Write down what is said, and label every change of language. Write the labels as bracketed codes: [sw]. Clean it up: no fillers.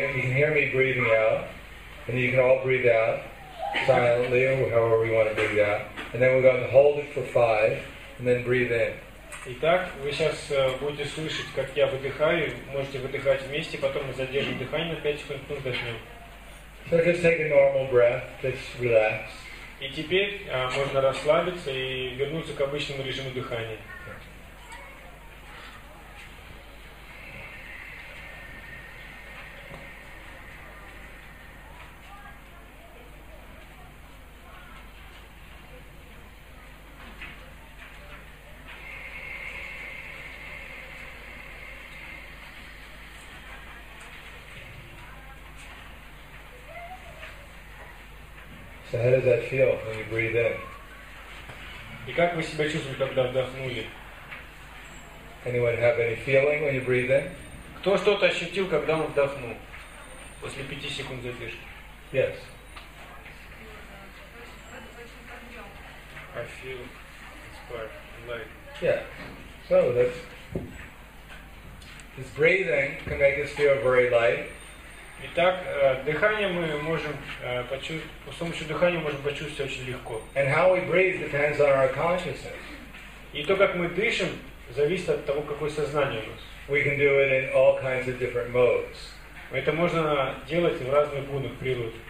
[en] You can hear me breathing out, and you can all breathe out silently or however you want to breathe out. And then we're going to hold it for 5, and then breathe in. [ru] Итак, вы сейчас будете слышать, как я выдыхаю. Можете выдыхать вместе, потом мы задержим дыхание на 5 секунд, потом вдохнем. [en] So just take a normal breath. Just relax. [ru] И теперь можно расслабиться и вернуться к обычному режиму дыхания. [en] So how does that feel when you breathe in? [ru] И как вы себя чувствуете, когда вдохнули? [en] Anyone have any feeling when you breathe in? [ru] Кто что-то ощутил, когда он вдохнул после 5 секунд задержки? [en] Yes. I feel inspired, light. Yeah. So that's this breathing can make us feel very light. [ru] Итак, дыхание мы можем почувствовать, с помощью дыхания можем почувствовать очень легко. [en] And how we breathe depends on our consciousness. [ru] И то, как мы дышим, зависит от того, какое сознание у нас. [en] We can do it in all kinds of different modes. [ru] Это можно делать в разных гунах природы.